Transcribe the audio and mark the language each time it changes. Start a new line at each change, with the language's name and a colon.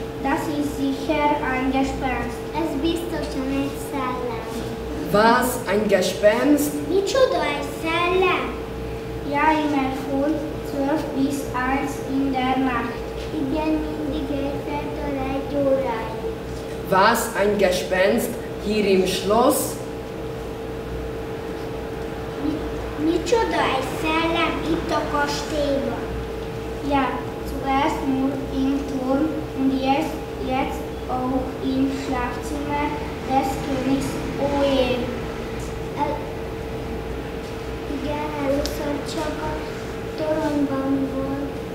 German: Das ist sicher ein Gespenst.
Hungarian: Ez biztosan egy szellem.
German: Was, ein Gespenst?
Hungarian: Micsoda egy szellem?
German: Ja, immer von 12 bis 1 in der Nacht.
Hungarian: Igen, mindig egyfeltől egy óráig.
German: Was, ein Gespenst hier im Schloss?
Hungarian: Micsoda egy szellem itt a kastélyban?
German: Ja, zuerst nur im Turm und jetzt auch im Schlafzimmer des Königs. Oje.
Hungarian: Igen, először csak a toronyban volt.